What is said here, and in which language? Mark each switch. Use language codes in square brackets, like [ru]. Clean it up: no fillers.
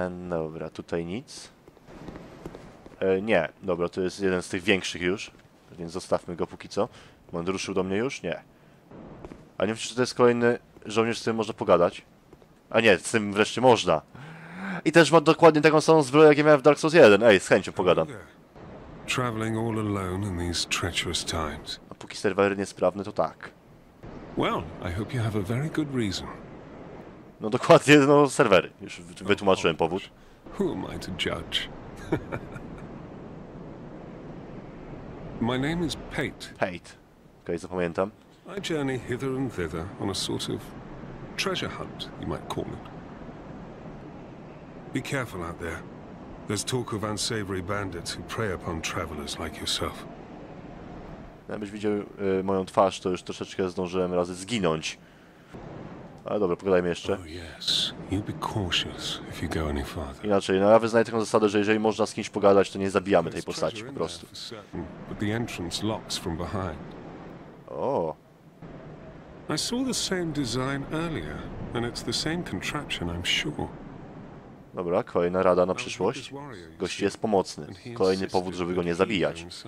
[pl] Dobra, tutaj nic. Nie. Dobra, to jest jeden z tych większych już. Więc zostawmy go póki co. On ruszył do mnie już? Nie. A nie wiem, czy to jest kolejny żołnierz, z którym można pogadać. A nie, z tym wreszcie można. I też ma dokładnie taką samą zbroję, jak ja miałem w Dark Souls 1. Ej, z chęcią pogadam. [en] Traveling all alone in these treacherous times. [pl] A póki serwer niesprawny, to tak. [en] Well, I hope you have a very good reason. [pl] No dokładnie, no serwery. Już wytłumaczyłem powód. [en] Who am I to judge? My name is Pate. Pate. [pl] Okej, zapamiętam. [en] I journey hither and thither on a sort of treasure hunt, you might call it. Be careful out there. There's talk of unsavory bandits who prey upon travelers like yourself. [pl] Jakbyś widział moją twarz, to już troszeczkę zdążyłem razy zginąć. Ale dobra, pogadajmy jeszcze. [en] Oh yes, you be cautious if you go any farther. [pl] Inaczej, no ja wyznaję taką zasadę, że jeżeli można z kimś pogadać, to nie zabijamy tej postaci po prostu. [en] But the entrance locks from behind. Oh. I saw the same design earlier, and it's the same contraption, I'm sure. [pl] Dobra, kolejna rada na przyszłość. Gość jest pomocny. Kolejny powód, żeby go nie zabijać.